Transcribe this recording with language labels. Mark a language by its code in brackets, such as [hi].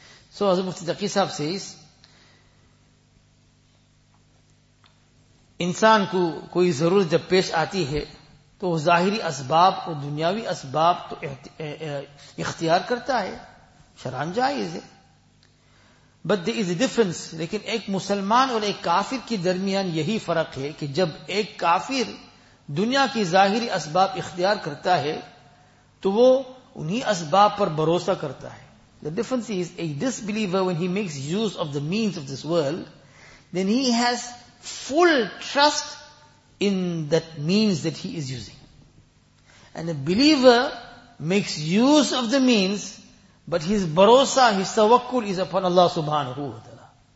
[en] So as Mufti Taqi Sahib says, [ur] insan ko koi zarur jab pesh aati hai, تو ظاہری اسباب اور دنیاوی اسباب تو اختیار کرتا ہے, شرعاً جائز ہے. [en] But there is a difference, [ur] لیکن ایک مسلمان اور ایک کافر کی درمیان یہی فرق ہے کہ جب ایک کافر دنیا کی ظاہری اسباب اختیار کرتا ہے تو وہ انہی اسباب پر بھروسہ کرتا ہے. [en] The difference is, a disbeliever, when he makes use of the means of this world, then he has full trust in that means that he is using. And a believer makes use of the means, but his barosa, his tawakkul is upon Allah subhanahu wa ta'ala.